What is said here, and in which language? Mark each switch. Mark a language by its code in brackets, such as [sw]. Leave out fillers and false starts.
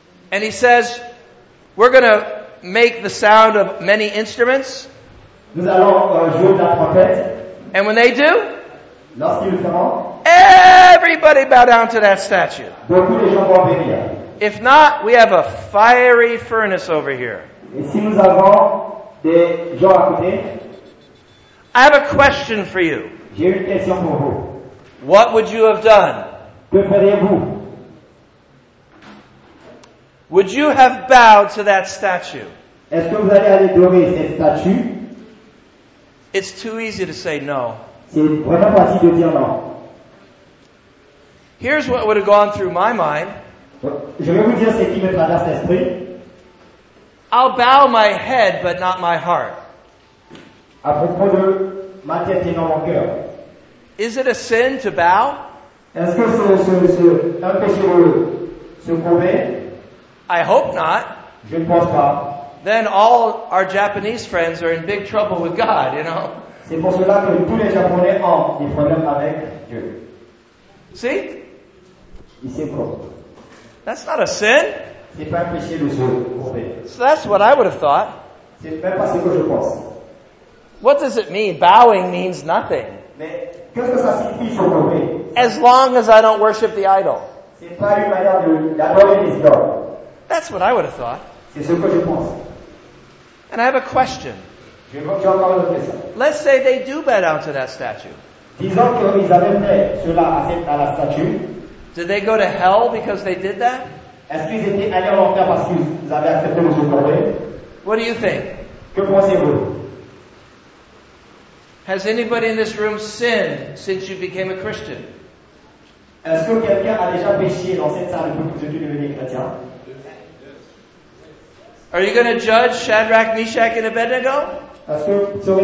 [en] And he says, "We're going to make the sound of many instruments." [fr] Nous allons jouer de la trompette. [en] And when they do, [fr] lorsqu'ils feront, [en] everybody bow down to that statue. [fr] Beaucoup de gens vont venir. [en] If not, we have a fiery furnace over here. [fr] Et si nous avons des gens à côté, [en] I have a question for you. [fr] J'ai une question pour vous. [en] What would you have done? [fr] Que feriez-vous? [en] Would you have bowed to that statue? [fr] Est-ce que vous allez adorer cette statue? [en] It's too easy to say no. [fr] C'est vraiment facile de dire non. [en] Here's what would have gone through my mind. [fr] Je vais vous dire ce qui me traverse l'esprit. [en] I'll bow my head, but not my heart. [fr] À propos de ma tête et non mon cœur. [en] Is it a sin to bow? [fr] Est-ce que c'est un péché de se courber? [en] I hope not. [fr] Je ne pense pas. [en] Then all our Japanese friends are in big trouble with God, you know. [fr] C'est pour cela que tous les Japonais ont des problèmes avec Dieu. [en] See? [fr] Il sait quoi? [en] That's not a sin. [fr] C'est pas un péché de se courber. [en] So that's what I would have thought. [fr] C'est même pas ce que je pense. [en] What does it mean? Bowing means nothing. [fr] Mais qu'est-ce que ça signifie se courber? [en] As long as I don't worship the idol. [fr] C'est pas une manière de d'adorer les idoles. [en] That's what I would have thought. [fr] C'est ce que je pense. [en] And I have a question. [fr] Je veux que j'en parle de ça. [en] Let's say they do bow down to that statue. [fr] Disons qu'ils avaient fait cela à la statue. [en] Did they go to hell because they did that? [fr] Est-ce qu'ils étaient allés en enfer parce qu'ils avaient accepté le sacrifice? [en] What do you think? [fr] Que pensez-vous? [en] Has anybody in this room sinned since you became a Christian? [fr] Est-ce que quelqu'un a déjà péché dans cette salle depuis que je suis devenu chrétien? [en] Are you going to judge Shadrach, Meshach, and Abednego?